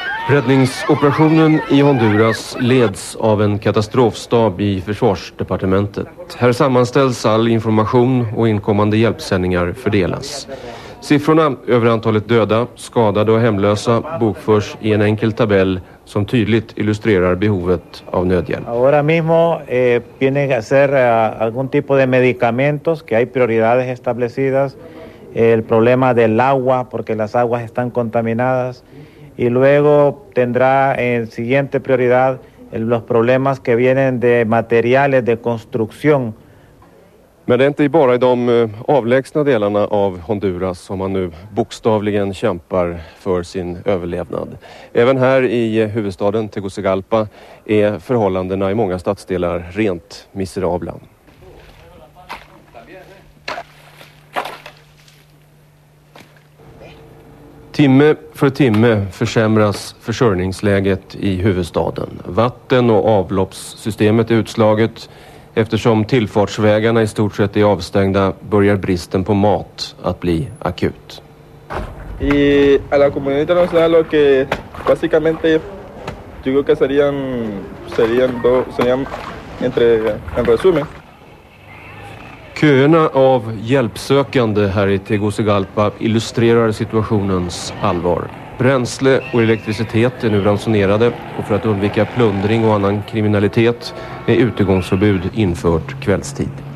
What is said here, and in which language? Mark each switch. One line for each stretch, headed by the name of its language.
Swedish: Räddningsoperationen i Honduras leds av en katastrofstab i försvarsdepartementet. Här sammanställs all information och inkommande hjälpsändningar fördelas. Siffrorna över antalet döda, skadade och hemlösa bokförs i en enkel tabell som tydligt illustrerar behovet av nödhjälp.
Spanish: Ahora mismo viene a ser algún tipo de medicamentos que hay prioridades establecidas, el problema del agua porque las aguas están contaminadas. Y luego tendrá en siguiente prioridad los problemas que vienen de materiales de construcción.
Swedish: Men det är inte bara i de avlägsna delarna av Honduras som man nu bokstavligen kämpar för sin överlevnad. Även här i huvudstaden Tegucigalpa är förhållandena i många stadsdelar rent miserabla. Timme för timme försämras försörjningsläget i huvudstaden. Vatten- och avloppssystemet är utslaget. Eftersom tillfartsvägarna i stort sett är avstängda börjar bristen på mat att bli akut.
Spanish: Y a la comunidad nacional lo que básicamente yo creo que serían entre en resumen.
Swedish: Köerna av hjälpsökande här i Tegucigalpa illustrerar situationens allvar. Bränsle och elektricitet är nu ransonerade och för att undvika plundring och annan kriminalitet är utegångsförbud infört kvällstid.